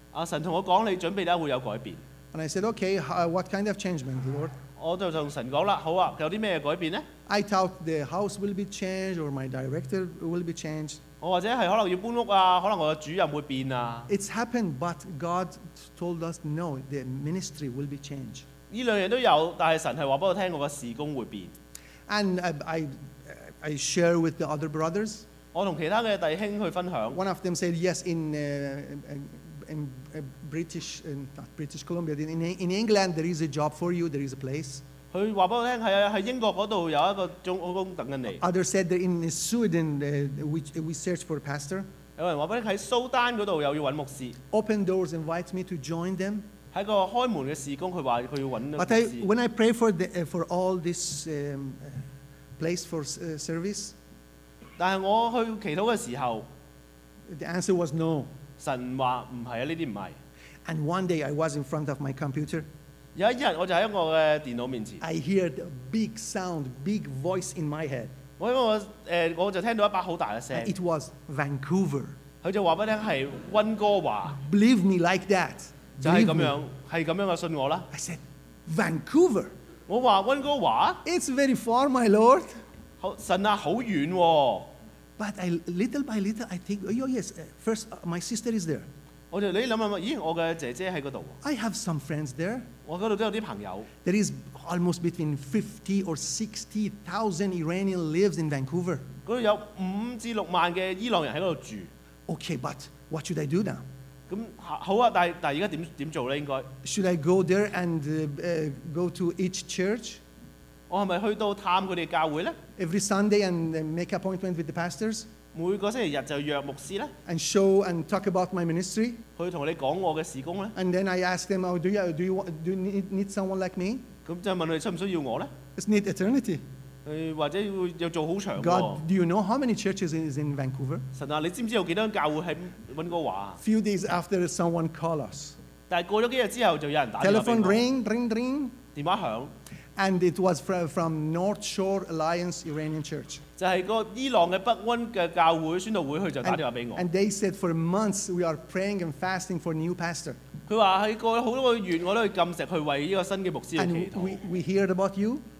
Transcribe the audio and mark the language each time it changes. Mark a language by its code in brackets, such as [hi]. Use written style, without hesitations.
[zh] 神跟我說, 你準備了, 會有改變。 [en] And I said, okay, what kind of change, Lord? [zh] 我就跟神說了,好啊,有什麼改變呢? [en] I thought the house will be changed or my director will be changed. [zh] 或者是可能要搬屋啊,可能我的主任會變啊。 [en] It's happened, but God told us, no, the ministry will be changed. [zh] 這兩樣都有,但是神是告訴我,事工會變。 [en] And I share with the other brothers. One of them said, yes, in England, there is a job for you, there is a place. Others said that in Sweden, we search for a pastor. Open doors, invite me to join them. But when I pray for all this place for service, [zh] 但我去祈禱的時候, [en] the answer was no. [zh] 神說不是, [en] and one day I was in front of my computer. [zh] 有一天我就在我的電腦面前, [en] I hear a big sound, big voice in my head. [zh] 我就聽到一把很大的聲, [en] it was Vancouver. [zh] 他就告訴我是溫哥華, [en] believe me like that. [zh] 就是這樣的信我啦, [en] I said, Vancouver. [zh] 我說溫哥華? [en] It's very far, my Lord. [zh] 神啊,很遠哦。 [en] But little by little, I think, oh yes, first, my sister is there. [zh] 我就想想,咦,我的姐姐在那裡。 [en] I have some friends there. [zh] 我那裡也有些朋友。 [en] There is almost between 50 or 60,000 Iranian lives in Vancouver. [zh] 那裡有5至6萬的伊朗人在那裡住。 [en] Okay, but what should I do now? [zh] 好啊,但現在怎麼做呢,應該? [en] Should I go there and go to each church? [zh] 我是不是去到探他們的教會呢? [en] Every Sunday and make appointment with the pastors. [zh] 每個星期日就約牧師呢? [en] And show and talk about my ministry. [zh] 去跟你講我的事工呢? [en] And then I ask them, oh, do you need someone like me? [zh] 那就問你需不需要我呢? [en] It's need eternity. [zh] 或者要做很長的。 [en] God, do you know how many churches is in Vancouver? [zh] 神啊, 你知不知道有多少教會在溫哥華? [en] Few days after someone called us. [zh] 但過了幾天之後就有人打電話給我。 [en] Telephone ring, ring, ring. [zh] 電話響。 [en] And it was from North Shore Alliance Iranian Church. And they said, for months we are praying and fasting for a new pastor. And we heard about you.